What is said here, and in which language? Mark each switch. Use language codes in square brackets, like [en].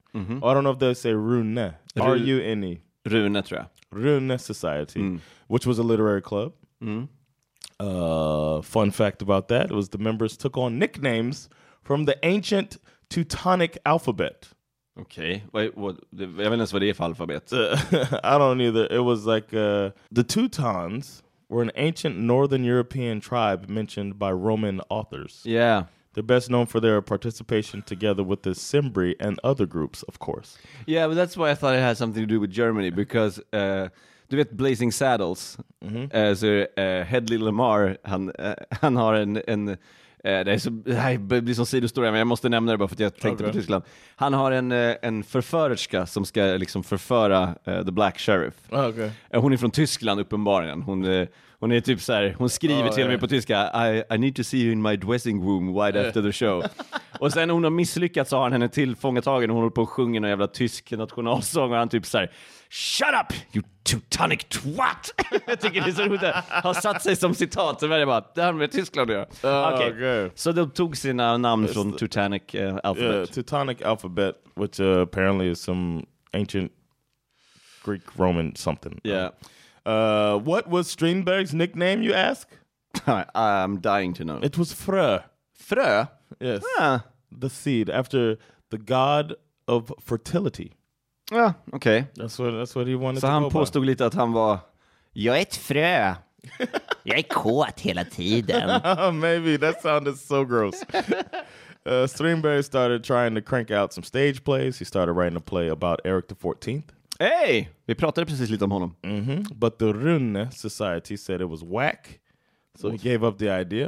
[en] Oh, I don't know if they say Rune. R-U-N-E. [sv] Rune, tror jag. [en] Rune Society, which was a literary club. Fun fact about that, it was the members took on nicknames from the ancient Teutonic alphabet. Okay. [sv] Jag vet inte vad det är för alphabet. [en] I don't either. It was like the Teutons were an ancient northern European tribe mentioned by Roman authors. Yeah. They're best known for their participation together with the Cimbri and other groups, of course. Yeah, but that's why I thought it had something to do with Germany, because [sv] du vet Blazing Saddles, så Hedley Lamarr, han har det blir som sidostoria, men jag måste nämna det bara för att jag tänkte på Tyskland. Han har en förförerska som ska liksom förföra The Black Sheriff. Hon är från Tyskland uppenbarligen. Hon är typ så här, hon skriver till mig på tyska, [en] I need to see you in my dressing room right after the show. [sv] Och sen hon har misslyckats, så har han henne tillfångatagen och hon håller på och sjunger en jävla tysk nationalsång och han typ så här, [en] shut up, you Teutonic twat! [sv] Jag tycker det är så roligt. Han har satt sig som citat, så är det bara, det här med Tyskland gör. Så de tog sina namn från Teutonic alphabet. [en] Yeah, Teutonic alphabet, which apparently is some ancient Greek Roman something. Yeah. What was Strindberg's nickname, you ask? I'm dying to know. It was Frö. Frö? Yes. Ah. The seed, after the god of fertility. [sv] Ja, okay. [en] That's what he wanted to go by. [sv] Så han påstod lite att han var, jag är ett frö. Jag är kåt hela tiden. [en] Maybe, that sounded so gross. Strindberg started trying to crank out some stage plays. He started writing a play about Eric the 14th. [sv] Hey, vi pratade precis lite om honom. [en] But the Rune Society said it was whack, so he gave up the idea.